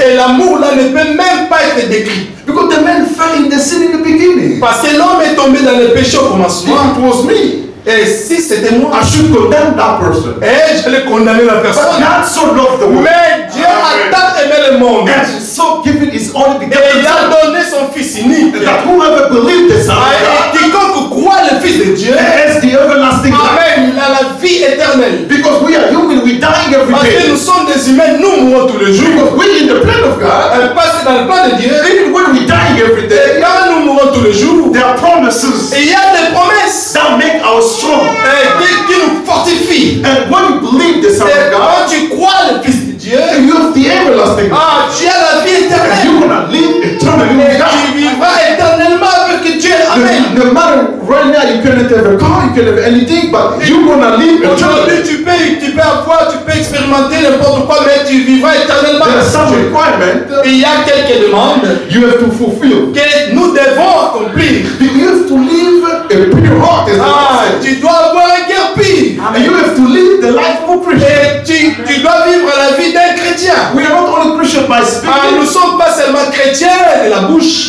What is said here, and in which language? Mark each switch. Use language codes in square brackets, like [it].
[fr] Et l'amour là ne peut même pas être décrit. [en] Because the man fell in the sin in the beginning. [fr] Parce que l'homme est tombé dans le péché au commencement. [en] It was me. [fr] Et si c'était moi, [en] I should condemn that person. [fr] Et j'allais condamner la personne. [en] But God so loved the world. [fr] Mais Dieu a tant aimé le monde. [en] And so giving his only begotten. [fr] Et il a donné son fils unique. [en] That whoever believes in [fr] him. Quiconque croit le fils de Dieu. [en] Has the everlasting life. [fr] Amen. Il a la vie éternelle. [en] Because we are human, we die every day. [fr] Parce que nous sommes des humains, nous mourons tous les jours. [en] Because we in the plan of God. [fr] Et parce que dans le plan de Dieu. [en] Even when we die every day. [fr] Et quand nous mourons tous les jours. [en] There are promises. [fr] Et il y a des promesses. [en] That make our strong. [fr] Et qui nous fortifie. [en] And when you believe the Son of God. [fr] Quand tu crois le fils de Dieu. [en] And you have the everlasting [fr] life. Ah, tu as la vie éternelle. [en] And you're gonna live eternally with God. [fr] Tu vivras éternellement avec Dieu. Amen. [en] No matter right now, you cannot have a car, you cannot have anything, but you're gonna live eternally. [fr] Tu peux expérimenter n'importe quoi, mais tu vivras éternellement. [en] There are some requirements. [fr] Il y a quelques demandes. [en] You have to fulfill. [fr] Que nous devons accomplir. [en] You have to live a pure heart. [fr] Tu dois avoir un cœur pur. [en] And you have to live the life of a Christian. [fr] Et tu dois vivre la vie d'un chrétien. [en] We are not only Christian by speaking. [fr] Nous ne sommes pas seulement chrétiens de la bouche.